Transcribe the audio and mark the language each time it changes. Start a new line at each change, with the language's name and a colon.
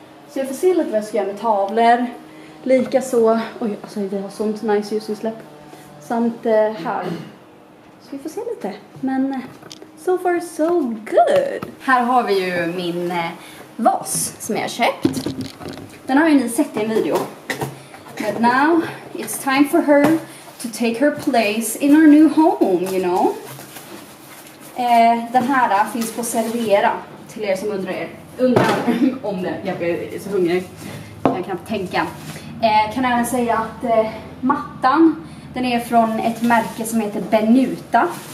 Swedish: Så jag får se lite vad jag ska göra med tavlor. Lika så. Oj, alltså vi har sånt nice ljusinsläpp. Samt här. Så vi får se lite. Men
English: so far so good.
Swedish: Här har vi ju min vas som jag har köpt. Den har ju ni sett i en video.
English: But now it's time for her to take her place in our new home, you know.
Swedish: Den här då, finns på Servera, till er som undrar om det. Jag är så hungrig. Jag kan tänka. Kan även säga att mattan, den är från ett märke som heter Benuta.